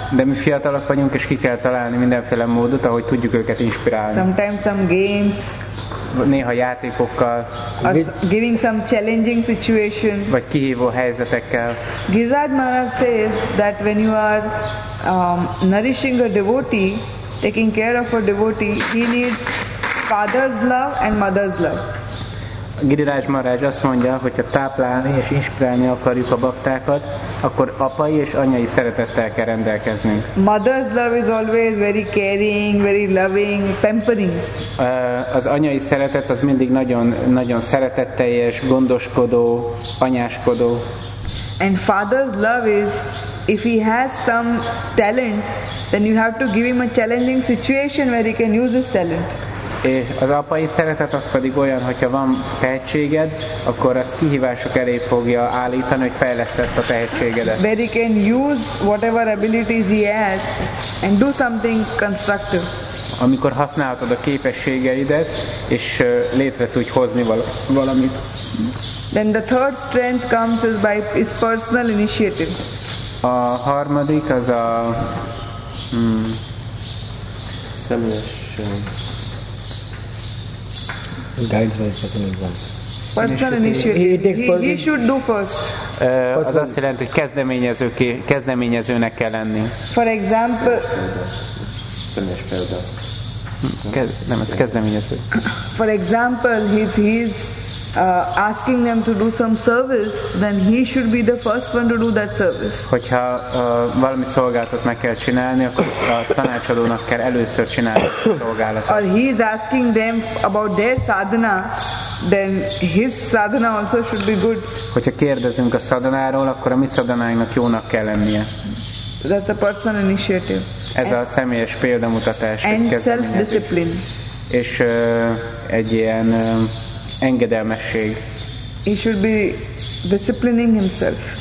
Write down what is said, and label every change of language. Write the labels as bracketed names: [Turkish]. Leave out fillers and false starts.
[Hungarian] De mi fiatalok vagyunk, és ki kell találni mindenféle módot, ahogy tudjuk őket inspirálni. [English] Sometimes some games. [Hungarian] Néha játékokkal. [English] Or giving some challenging situation. [Hungarian] Vagy kihívó helyzetekkel. [English] Giriraj Maharaj says that when you are nourishing a devotee, taking care of a devotee, he needs father's love and mother's love. [Hungarian] Giriraj Maharaj azt mondja, hogy ha táplálni és inspirálni akarjuk a baktákat, akkor apai és anyai szeretettel kell rendelkeznünk. [English] Mother's love is always very caring, very loving, pampering. [Hungarian] Az anyai szeretet az mindig nagyon, nagyon szeretetteljes, gondoskodó, anyáskodó. [English] And father's love is, if he has some talent, then you have to give him a challenging situation where he can use his talent. [Hungarian] És az apai szeretet az pedig olyan, hogyha van tehetséged, akkor azt kihívások elé fogja állítani, hogy fejlessz ezt a tehetségedet. [English] Where he can use whatever abilities he has and do something constructive. [Hungarian] Amikor használhatod a képességeidet, és létre tudj hozni valamit. [English] Then the third strength comes is by his personal initiative. [Hungarian] A harmadik az a személyes. [English] Guides by certain example. Personal initiative. He should do first. [Hungarian] Az azt jelenti, hogy kezdeményezőnek kell lenni. [English] For example. [Hungarian] Személyes példa. Nem, ez kezdeményező. [English] For example, if he is asking them to do some service, then he should be the first one to do that service. [Hungarian] Hogyha valami szolgálatot meg kell csinálni, akkor a tanácsadónak kell először csinálni a szolgálatot. [English] Or he is asking them about their sadhana, then his sadhana also should be good. [Hungarian] Hogyha kérdezünk a szadanáról, akkor a mi szadanáinknak jónak kell lennie. [English] That's a personal initiative. [Hungarian] Ez a személyes példamutatás. [English] And self-discipline. [Hungarian] És egy ilyen engedelmesség. [English] He should be disciplining himself.